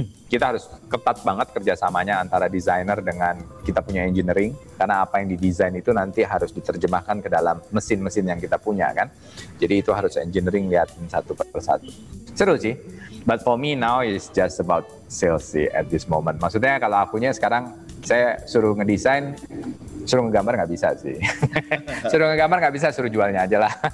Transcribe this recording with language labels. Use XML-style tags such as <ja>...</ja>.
<id>Kita harus ketat banget kerjasamanya antara desainer dengan kita punya engineering, karena apa yang didesain itu nanti harus diterjemahkan ke dalam mesin-mesin yang kita punya kan. Jadi itu harus engineering liatin satu per satu. Seru sih,</id> <en>but for me now is just about sales at this moment.</en> <id>Maksudnya kalau akunya sekarang saya suruh ngedesain, suruh ngegambar nggak bisa sih. Suruh ngegambar nggak bisa, suruh jualnya aja lah.</id>